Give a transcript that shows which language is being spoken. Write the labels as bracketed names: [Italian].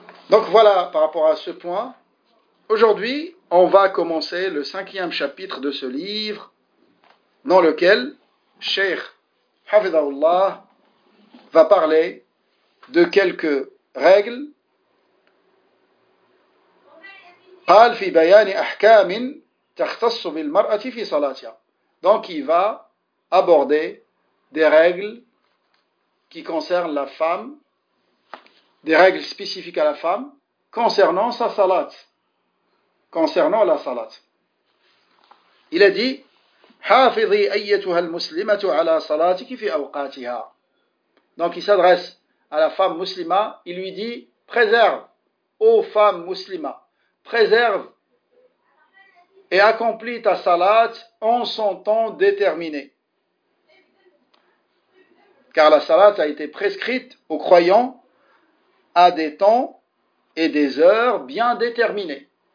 [French] Donc voilà par rapport à ce point. Aujourd'hui, on va commencer le 5e chapitre de ce livre dans lequel Cheikh Hafidhahullah va parler de quelques règles. [Arabic] قال في بيان أحكام تختص بالمرأة في صلاتها. [French] Donc il va aborder des règles qui concernent la femme, des règles spécifiques à la femme concernant sa salat, concernant la salat. Il a dit: [Arabic] حافظي أيتها المسلمة على صلاتك في أوقاتها. [French] Donc il s'adresse à la femme musulmane, il lui dit: préserve, ô femme musulmane, préserve et accomplis ta salat en son temps déterminé. Car la salat a été prescrite aux croyants à des temps et des heures bien déterminés.